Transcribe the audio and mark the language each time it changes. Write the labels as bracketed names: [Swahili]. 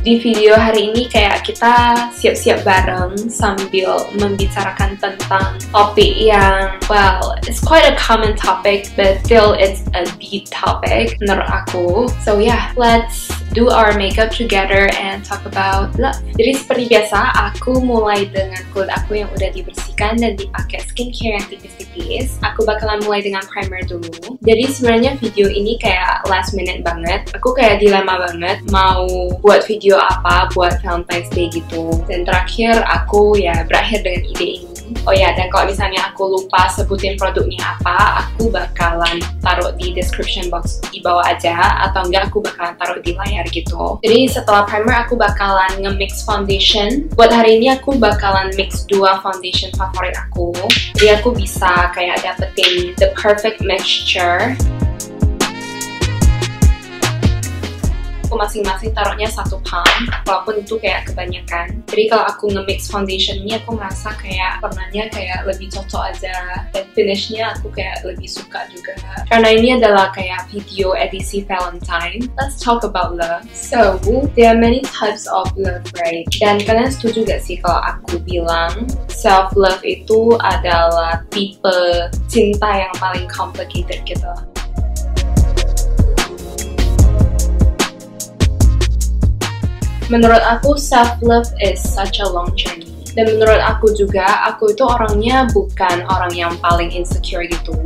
[Indonesian] Di video hari ini kayak kita siap-siap bareng sambil membicarakan tentang topik yang, [English] well, it's quite a common topic, but still it's a deep topic [Indonesian] menurut aku. [English] So yeah, let's do our makeup together and talk about love. [Indonesian] Jadi seperti biasa, aku mulai dengan kulit aku yang udah dibersihkan dan dipakai skincare yang tipis-tipis. Aku bakalan mulai dengan primer dulu. Jadi sebenarnya video ini kayak last minute banget. Aku kayak dilema banget mau buat video apa buat Valentine's Day gitu. Dan terakhir aku ya berakhir dengan ide ini. Oh ya, dan kalau misalnya aku lupa sebutin produknya apa, aku bakalan taruh di description box di bawah aja, atau enggak aku bakalan taruh di layar gitu. Jadi setelah primer aku bakalan nge-mix foundation. Buat hari ini aku bakalan mix dua foundation favorit aku. Jadi aku bisa kayak dapetin [English] the perfect mixture. [Indonesian] Aku masing-masing taruhnya 1 pump, walaupun itu kayak kebanyakan. Jadi kalau aku nge-mix foundation ini, aku merasa kayak warnanya kayak lebih cocok aja. Dan finishnya aku kayak lebih suka juga. Karena ini adalah kayak video edisi Valentine. [English] Let's talk about love. So, there are many types of love, right? [Indonesian] Dan kalian setuju gak sih kalau aku bilang self-love itu adalah tipe cinta yang paling complicated gitu? Menurut aku, [English] self-love is such a long journey. [Indonesian] Dan menurut aku juga, aku itu orangnya bukan orang yang paling insecure gitu.